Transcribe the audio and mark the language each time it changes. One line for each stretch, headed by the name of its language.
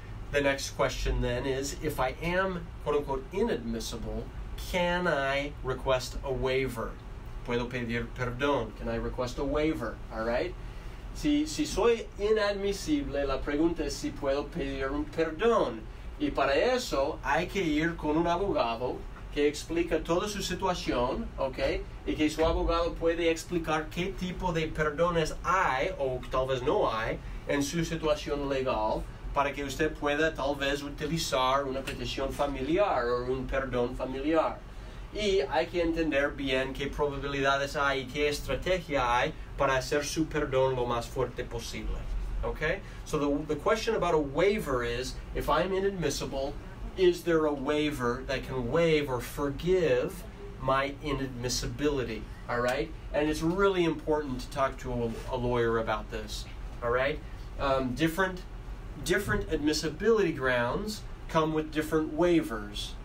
English: The next question then is, if I am quote unquote inadmissible, can I request a waiver?
Spanish: Puedo pedir perdón.
English: Can I request a waiver? All right.
Spanish: Si soy inadmisible, la pregunta es si puedo pedir un perdón. Y para eso hay que ir con un abogado que explica toda su situación, ¿ok? Y que su abogado puede explicar qué tipo de perdones hay, o tal vez no hay, en su situación legal, para que usted pueda tal vez utilizar una petición familiar o un perdón familiar. Y hay que entender bien qué probabilidades hay y qué estrategia hay para hacer su perdón lo más fuerte posible.
English: Okay, so the question about a waiver is, if I'm inadmissible, is there a waiver that can waive or forgive my inadmissibility? All right, and it's really important to talk to a lawyer about this. All right, different admissibility grounds come with different waivers.